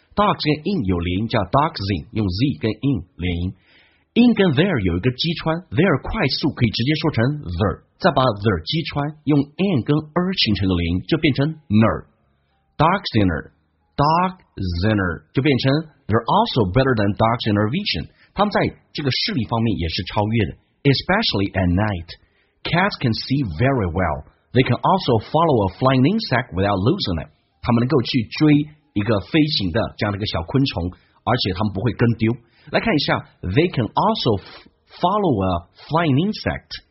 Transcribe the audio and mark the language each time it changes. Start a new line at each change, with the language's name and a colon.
Chinese: Dogs 跟 in 有连音，叫 dogsing， 用 z 跟 in 连音。 In 跟 there 有一个击穿， there 快速可以直接说成 there， 再把 there 击穿，用 n 跟 er 形成的连音就变成 ner。
English: Dog Zinner
Chinese: 就变成
English: They're also better than dogs in their vision.
Chinese: 他们在这个视力方面也是超越的。
English: Especially at night, cats can see very well. They can also follow a flying insect without losing it.
Chinese: 他们能够去追一个飞行的这样的一个小昆虫，而且他们不会跟丢。来看一下
English: They can also follow a flying insect.